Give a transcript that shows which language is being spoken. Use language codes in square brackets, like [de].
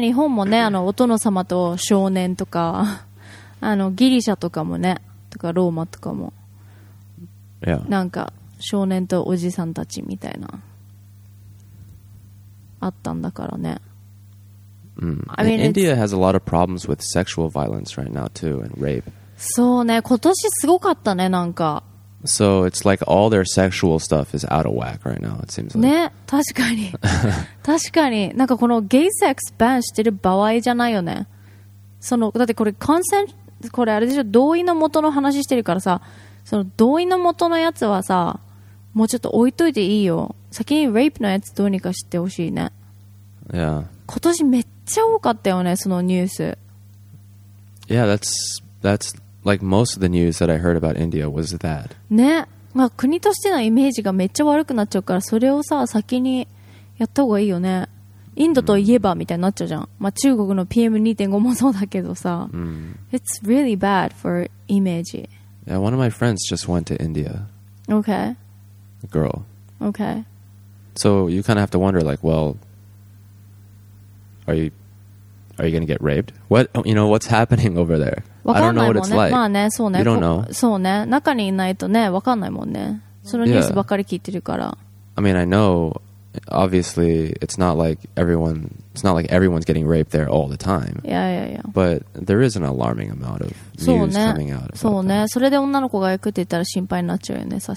[ja] 日本もね、あのお殿様と少年とか、あのギリシャとかもね、とかローマとかも、 [en] yeah. [ja] なんか少年とおじさんたちみたいな、あったんだからね。 Mm. [en] I mean, India has a lot of problems with sexual violence right now too and rape. [ja] そうね、今年すごかったね、なんか。 [en] So it's like all their sexual stuff is out of whack right now, it seems like. [ja] ね、確かに。確かに。なんかこのゲイセックスバンしてる場合じゃないよね。その、だってこれコンセン、これあれでしょ、同意の元の話してるからさ、その同意の元のやつはさ、もうちょっと置いといていいよ。先にレイプのやつどうにかしてほしいね。 [en] Yeah. [ja] 今年めっちゃ多かったよね、そのニュース。 [en] Yeah, that's like most of the news that I heard about India was that. [ja] ね、まあ、国としてのイメージがめっちゃ悪くなっちゃうから、それをさ、先にやった方がいいよね。インドといえばみたいになっちゃうじゃん。まあ、中国の PM2.5 もそうだけどさ。 Mm. [en] It's really bad for image. Yeah, one of my friends just went to India. Okay. A girl. Okay. So you kind of have to wonder, like, well... Are you going to get raped? What, you know, what's happening over there? I don't know what it's like. [ja] まあね、そうね。 [en] You don't know. [ja] そうね。中にいないとね、わかんないもんね。そのニュースばっかり聞いてるから。 [en] I mean, I know, obviously, it's not like everyone's getting raped there all the time. Yeah, yeah, yeah. But there is an alarming amount of news coming out. [ja] そうね。それで女の子が行くって言ったら心配になっちゃうよね。